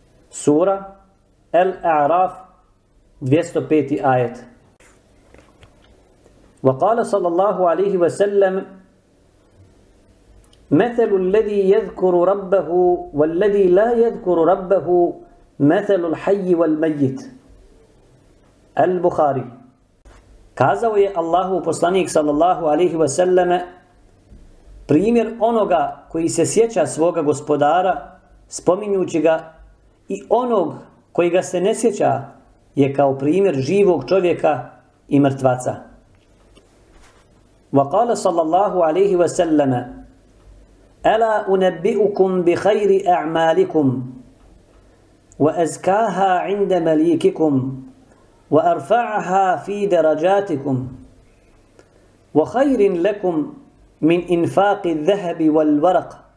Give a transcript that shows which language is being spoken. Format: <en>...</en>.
<bs>Sura Al-A'raf, 205. ajet.</bs> <ar>وقال صلى الله عليه وسلم مثل الذي يذكر ربه والذي لا يذكر ربه مثل الحي والميت. البخاري.</ar> <bs>Kazao je Allahu poslanik sallallahu alaihi wasallam, primjer onoga koji se sjeća svoga gospodara spominjući ga i onog koji ga se ne sjeća je kao primjer živog čovjeka i mrtvaca.</bs> <ar>Waqala sallallahu alaihi wasallam, ألا أنبئكم بخير أعمالكم وأزكاها عند مليككم وأرفعها في درجاتكم وخير لكم من إنفاق الذهب والورق</ar>